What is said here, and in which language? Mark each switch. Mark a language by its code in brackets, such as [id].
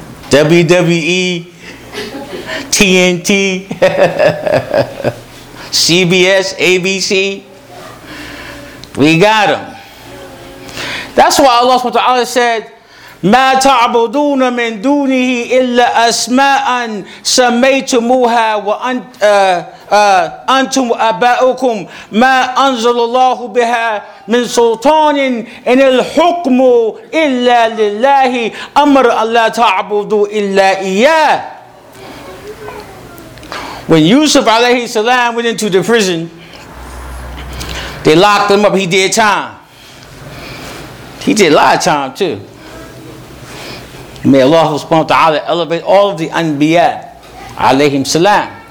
[en] WWE. TNT, CBS, ABC, we got them. That's why Allah subhanahu wa ta'ala said, [ar] ما تعبدون من دونه إلا أسماء سميتموها وأنتم أباؤكم ما أنزل الله بها من سلطان إن الحكم إلا لله أمر أن لا تعبدوا إلا إياه. [en] When Yusuf alayhi salam went into the prison, they locked him up. He did time. He did a lot of time too. May Allah subhanahu wa ta'ala elevate all of the anbiya alayhim salam.